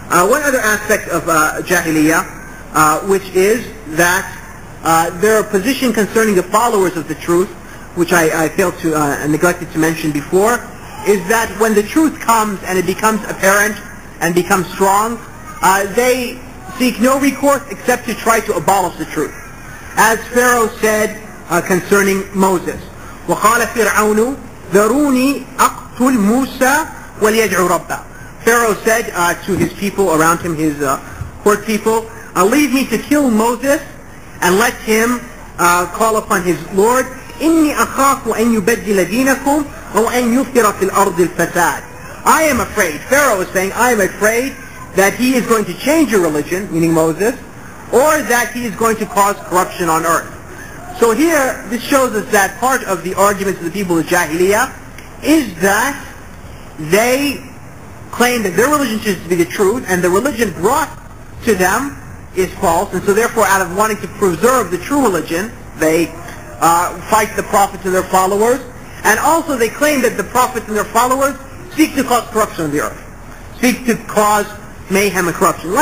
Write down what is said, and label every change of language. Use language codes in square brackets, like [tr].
[en] One other aspect of Jahiliyyah, which is that their position concerning the followers of the truth, which I failed to neglected to mention before, is that when the truth comes and it becomes apparent and becomes strong, they seek no recourse except to try to abolish the truth. As Pharaoh said concerning Moses, [ar] وَقَالَ فِرْعَوْنُ ذَرُونِي أَقْتُلْ مُوسَى وَلْيَدْعُ رَبَّهُ. [en] Pharaoh said to his people around him, his court people, leave me to kill Moses and let him call upon his Lord, [ar] إني أخاف أن يبدل دينكم أو أن يثير في الأرض الفساد. [en] I am afraid, Pharaoh is saying, I am afraid that he is going to change your religion, meaning Moses, or that he is going to cause corruption on earth. So here, this shows us that part of the argument of the people of Jahiliyyah is that they claim that their religion is to be the truth, and the religion brought to them is false, and so therefore, out of wanting to preserve the true religion, they fight the prophets and their followers, and also they claim that the prophets and their followers seek to cause corruption on the earth, seek to cause mayhem and corruption.